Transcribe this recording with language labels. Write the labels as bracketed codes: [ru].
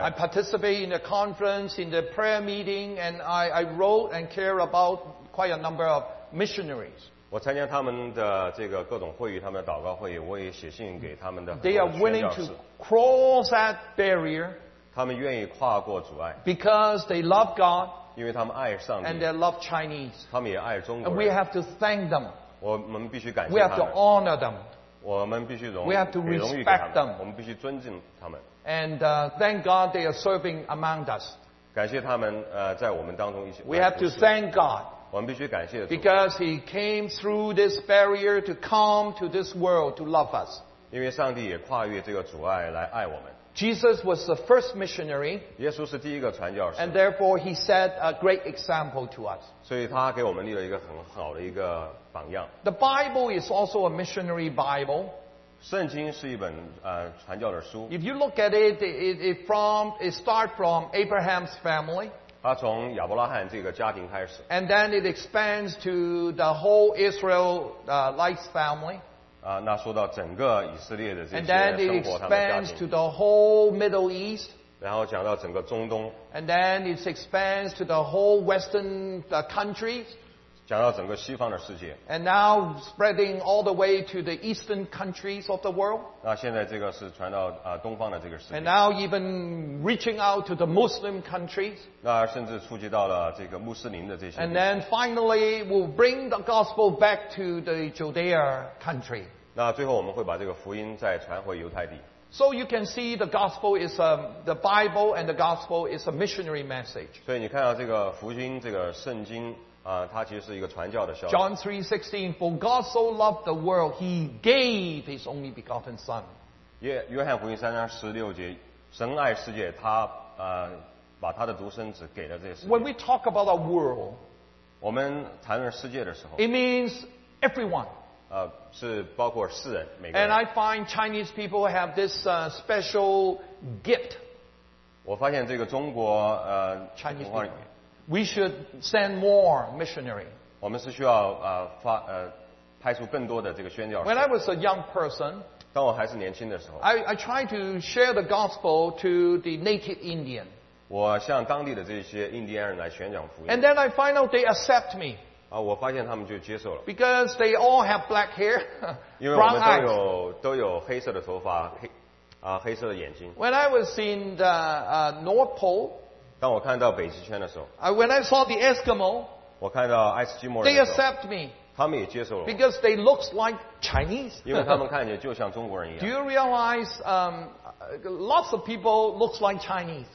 [en] I participate in the conference, in the prayer meeting, and I wrote and care about. Quite a number of missionaries. [zh] 我参加他们的这个各种会议，他们的祷告会议，我也写信给他们的。 [en] They are willing to cross that barrier. [zh] 他们愿意跨过阻碍。 [en] Because they love God. [zh] 因为他们爱上帝。 [en] And they love Chinese. [zh] 他们也爱中国人。 [en] And we have to thank them. [zh] 我们必须感谢他们。 [en] We have to honor them. [zh] 我们必须荣。 [en] We have to respect them. [zh] 我们必须尊敬他们。 [en] And thank God they are serving among us. [zh] 感谢他们在我们当中一起。 [en] We have to thank God. [zh] 我们必须感谢主 [en] Because he came through this barrier to come to this world to love us. [zh] 因为上帝也跨越这个阻碍来爱我们 [en] Jesus was the first missionary. [zh] 耶稣是第一个传教士 [en] And therefore he set a great example to us. [zh] 所以他给我们立了一个很好的一个榜样 [en] The Bible is also a missionary Bible. [zh] 圣经是一本传教的书 [en] If you look at it, it starts from Abraham's family. [zh] 他从亚伯拉罕这个家庭开始 [en] and then it expands to the whole Israelite family. [zh] 那说到整个以色列的这些生活他们的家庭 [en] and then it expands to the whole Middle East. [zh] 然后讲到整个中东 [en] and then it expands to the whole Western countries. [zh] 讲到整个西方的世界 [en] and now spreading all the way to the Eastern countries of the world. [zh] 那现在这个是传到东方的这个世界 [en] and now even reaching out to the Muslim countries. [zh] 甚至触及到了这个穆斯林的这些。 [en] And then finally, we'll bring the gospel back to the Judea country. [zh] 那最后我们会把这个福音再传回犹太地。 [en] So you can see the gospel is the Bible and the gospel is a missionary message. [zh] 所以你看到这个福音，这个圣经它其实是一个传教的消息。 [en] John 3:16, For God so loved the world, He gave His only begotten Son. [zh] 约翰福音三章十六节，神爱世界，他把他的独生子给了这些世界。 [en] When we talk about a world, [zh] 我们谈论世界的时候 [en] ，it means everyone. [zh] 是包括世人每个人。 [en] And I find Chinese people have this special gift. [zh] 我发现这个中国 [en] Chinese people, we should send more missionary. [zh] 我们是需要派出更多的这个宣教士。 [en] When I was a young person, [zh] 当我还是年轻的时候 [en] ，I tried to share the gospel to the native Indian. [zh] 我向当地的这些印第安人来宣讲福音。 [en] And then I find out they accept me. [zh] 我发现他们就接受了。 [en] Because they all have black hair. [zh] 因为我们都有黑色的头发，黑色的眼睛。 [en] When I was in the North Pole. [zh] 当我看到北极圈的时候。 [en] When I saw the Eskimo. [zh] 我看到爱斯基摩人。 [en] They accept me. [zh] 他们也接受了。 [en] Because they look like Chinese. [zh] 因为他们看起来就像中国人一样。 [en] Do you realize, lots of people look like Chinese.